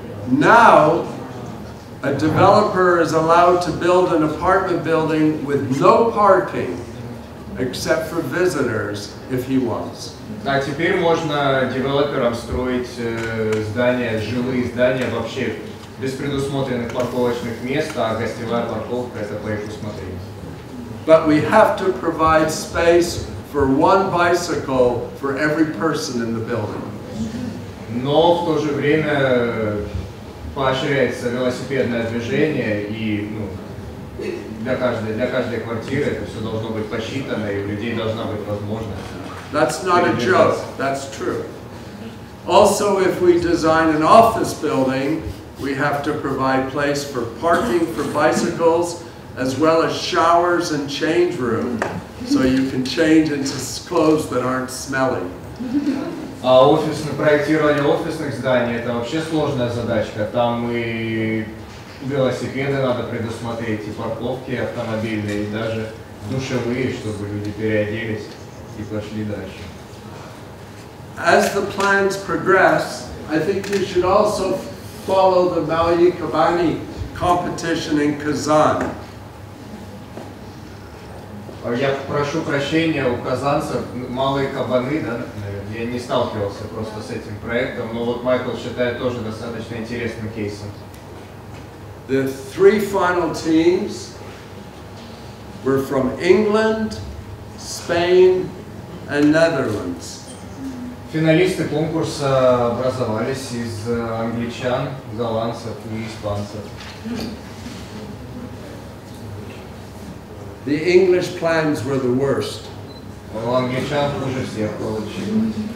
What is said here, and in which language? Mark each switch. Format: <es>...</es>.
<en>Now, a developer is allowed to build an apartment building with no parking, except for visitors, if he wants.</en> <ru>А теперь можно девелоперам строить здания, жилые здания вообще без предусмотренных парковочных мест, а гостевая парковка это по их усмотрению.</ru> <en>But we have to provide space for one bicycle for every person in the building.</en> <ru>Но в то же время поощряется велосипедное движение, и, ну, для каждой квартиры это все должно быть посчитано, и у людей должна быть возможность.</ru> <en>That's not a joke. That's true. Also, if we design an office building, we have to provide place for parking for bicycles, as well as showers and change room, so you can change into clothes that aren't smelly.</en> <ru>А офисное проектирование офисных зданий это вообще сложная задачка. Там и велосипеды надо предусмотреть, и парковки автомобильные, и даже душевые, чтобы люди переоделись и пошли дальше.</ru> <en>As the plans progress, I think you should also follow the Mali Kabani competition in Kazan.</en> <ru>Я прошу прощения у казанцев, малые кабаны, да? Я не сталкивался просто с этим проектом, но вот Майкл считает тоже достаточно интересным кейсом.</ru> <en>The three final teams were from England, Spain and Netherlands.</en> <ru>Финалисты конкурса образовались из англичан, голландцев и испанцев.</ru> <en>The English plans were the worst.</en> <ru>У англичан хуже всех получилось.</ru>